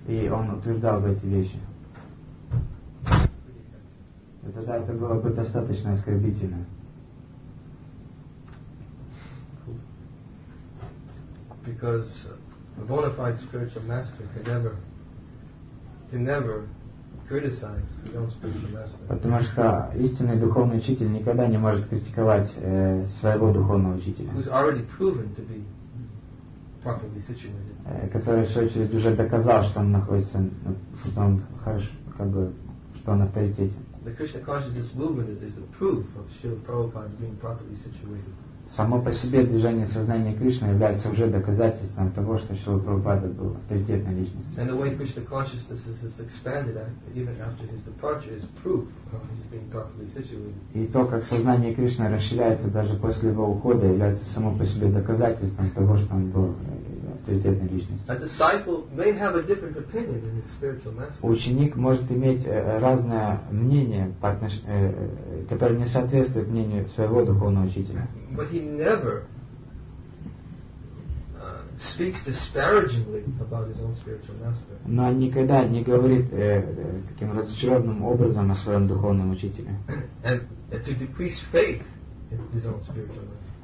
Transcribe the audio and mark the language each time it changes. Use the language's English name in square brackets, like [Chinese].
[Russian] И он утверждал бы эти вещи. И тогда это было бы достаточно оскорбительно. [English] Because a bona fide spiritual master can never criticize his own spiritual master. [Russian] Потому что истинный духовный учитель никогда не может критиковать своего духовного учителя. [English] Who's already proven to be properly situated. [Russian] Который в свою очередь уже доказал, что он находится, что он хорош, как бы, что он авторитетен. [English] The Krishna consciousness movement is the proof of Srila Prabhupada's being properly situated. [Russian] Само по себе движение сознания Кришны является уже доказательством того, что Шрила Прабхупада был авторитетной личностью. [English] And the way Krishna consciousness has expanded even after his departure is proof of his being properly situated. [Russian] И то, как сознание Кришны расширяется даже после его ухода, является само по себе доказательством того, что он был авторитетной личностью. [English] A disciple may have a different opinion than his spiritual master. [Russian] Ученик может иметь разное мнение, которое не соответствует мнению своего духовного учителя. [English] But he never speaks disparagingly about his own spiritual master. [Russian] Но он никогда не говорит таким разочарованным образом о своем духовном учителе. [English] And to decrease faith in his own spiritual master.